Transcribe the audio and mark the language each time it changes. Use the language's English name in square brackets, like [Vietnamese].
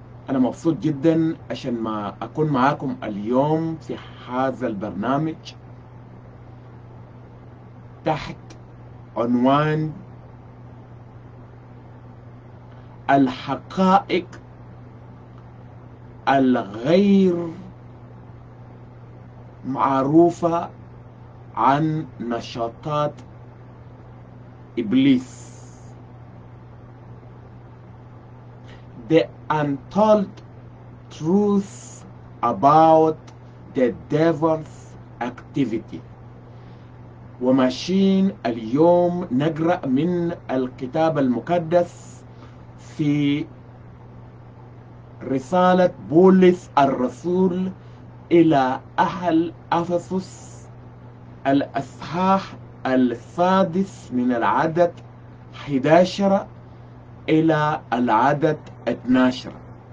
[Arabic] أنا مبسوط جدا عشان ما أكون معاكم اليوم في هذا البرنامج تحت عنوان الحقائق الغير معروفة عن نشاطات إبليس. [English] The untold truth about the devil's activity. [Arabic] وماشيين اليوم نقرأ من الكتاب المقدس في رسالة بولس الرسول إلى أهل أفسس الأصحاح السادس من العدد 11 إلى العدد 12.